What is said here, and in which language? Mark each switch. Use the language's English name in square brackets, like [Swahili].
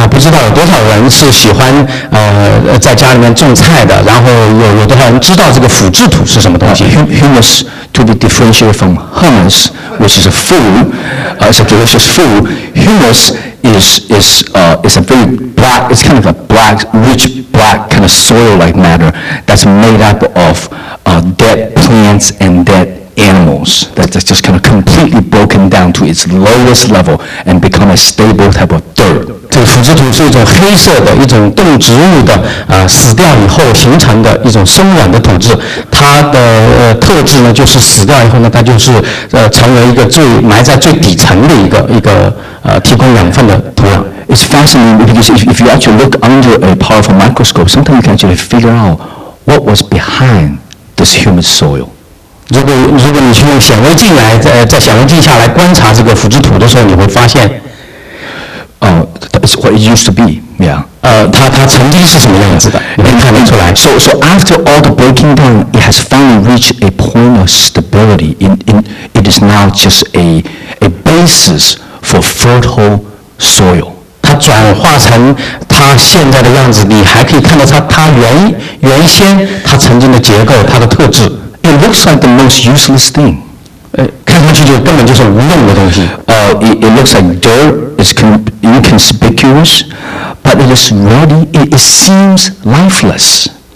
[Chinese] 不知道有多少人是喜欢在家里面种菜的，然后有多少人知道这个腐殖土是什么东西 [English] ？Humus to be differentiated from hummus, which is a food, it's a delicious food. Humus is a very black, it's kind of a black, rich black kind of soil-like matter that's made up of dead plants and dead. Animals that's just kind of completely broken down to its lowest level and become a stable type of dirt. [Chinese] 这个腐殖土是一种黑色的一种动植物的死掉以后形成的一种生软的土质。它的特质呢，就是死掉以后呢，它就是成为一个最埋在最底层的一个提供养分的土壤。 [English] It's fascinating because if you actually look under a powerful microscope, sometimes you can actually figure out what was behind this human soil. [Chinese] 如果你去用显微镜来在显微镜下来观察这个腐殖土的时候，你会发现， [English] that's what it used to be, yeah. [Chinese] 它曾经是什么样子的？你看得出来。 [English] So after all the breaking down, it has finally reached a point of stability. It is now just a basis for fertile soil. [Chinese] 它转化成它现在的样子，你还可以看到它原先它曾经的结构，它的特质。 [English] It looks like the most useless thing. [Chinese] 看上去就根本就是无用的东西。 [English] It looks like dirt is inconspicuous, but it is really, it seems lifeless.